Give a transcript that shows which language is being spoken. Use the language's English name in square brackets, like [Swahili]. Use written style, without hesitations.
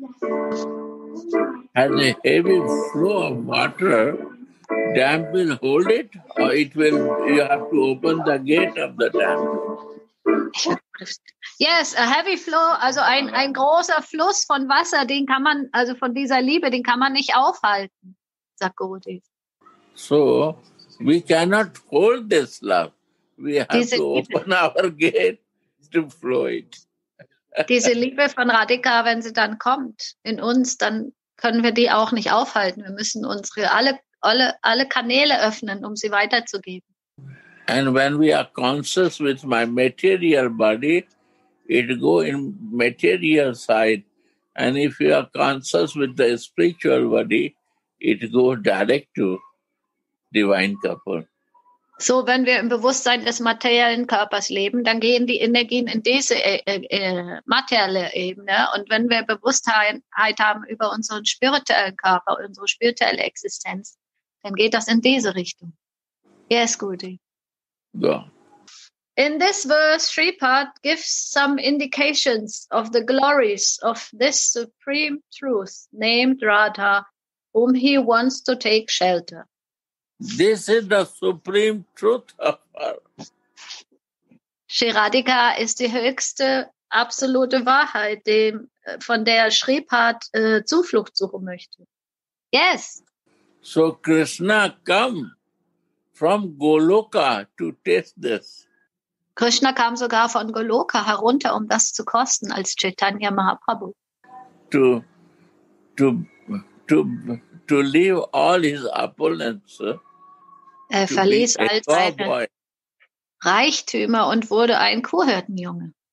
[English] Has a heavy flow of water, dam will hold it, or it will, you have to open the gate of the dam. Yes, a heavy flow, [German] also ein großer Fluss von Wasser, den kann man, also von dieser Liebe, den kann man nicht aufhalten, sagt Gurudev. [English] So, we cannot hold this love. We have diese to open our gate to flow it. [German] Diese Liebe von Radhika, wenn sie dann kommt in uns, dann können wir die auch nicht aufhalten. Wir müssen unsere alle Kanäle öffnen, um sie weiterzugeben. [English] And when we are conscious with my material body, it go in material side. And if you are conscious with the spiritual body, it go direct to divine couple. [German] So, wenn wir im Bewusstsein des materiellen Körpers leben, dann gehen die Energien in diese materielle Ebene. Und wenn wir Bewusstheit haben über unseren spirituellen Körper, unsere spirituelle Existenz, dann geht das in diese Richtung. [English] Yes, Gurudev. Go. In this verse, Sripad gives some indications of the glories of this supreme truth named Radha, whom he wants to take shelter. This is the supreme truth of her. [German] Sri Radhika ist die höchste absolute Wahrheit, von der Sripad Zuflucht suchen möchte. Yes. [English] So Krishna come from Goloka to taste this. [German] Krishna kam sogar von Goloka herunter, um das zu kosten als Chaitanya Mahaprabhu. [English] To leave all his opulence. [German] Er verließ all seine Reichtümer und wurde ein Kuhhirtenjunge.